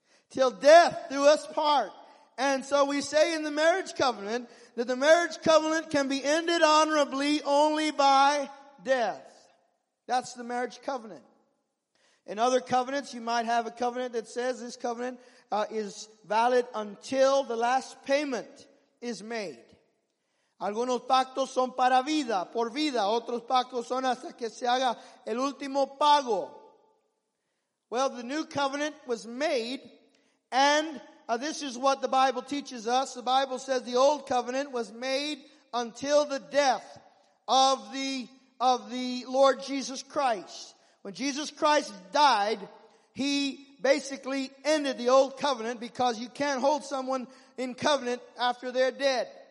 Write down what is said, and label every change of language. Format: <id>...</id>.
<en>Till death do us part. And so we say in the marriage covenant that the marriage covenant can be ended honorably only by death. That's the marriage covenant. In other covenants, you might have a covenant that says this covenant is valid until the last payment is made.</en> <es>Algunos pactos son para vida, por vida. Otros pactos son hasta que se haga el último pago.</es> <en>Well, the new covenant was made, and this is what the Bible teaches us. The Bible says the old covenant was made until the death of the Lord Jesus Christ. When Jesus Christ died, he basically ended the old covenant, because you can't hold someone in covenant after they're dead.</en>